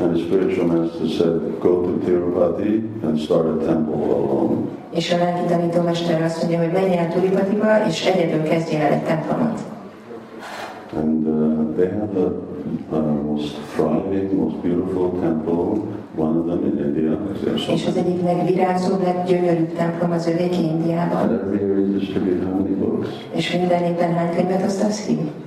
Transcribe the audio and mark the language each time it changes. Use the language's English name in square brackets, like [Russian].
[English] And the spiritual master said, go to Tirupati and start a temple alone. [Hungarian] És a lelki tanító mester azt mondja, hogy menjél a Tirupatiba, és egyedül kezdjél el egy templomot. [English] And they have the most thriving, most beautiful temple. One of them in India. [Hungarian] És az egyik legvirágzóbb, leggyönyörűbb templom az övéki Indiában. [English] And every year he distributes how many books? [Hungarian] És minden évben hány könyvet osztasz ki?